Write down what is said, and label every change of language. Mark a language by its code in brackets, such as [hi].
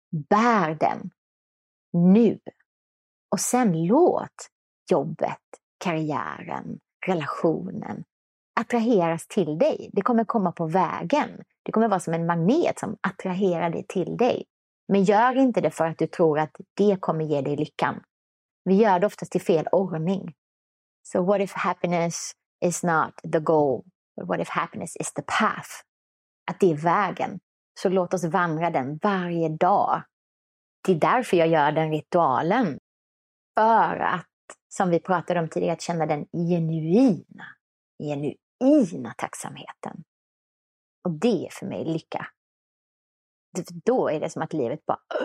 [sv] Bär den, nu. Och sen låt jobbet, karriären, relationen attraheras till dig. Det kommer komma på vägen. Det kommer vara som en magnet som attraherar det till dig. Men gör inte det för att du tror att det kommer ge dig lyckan. Vi gör det oftast i fel ordning. [en] So what if happiness is not the goal? But what if happiness is the path? [sv] Att det är vägen. Så låt oss vandra den varje dag. Det är därför jag gör den ritualen. För att, som vi pratade om tidigare, att känna den genuina, genuina tacksamheten. Och det är för mig lycka. Då är det som att livet bara...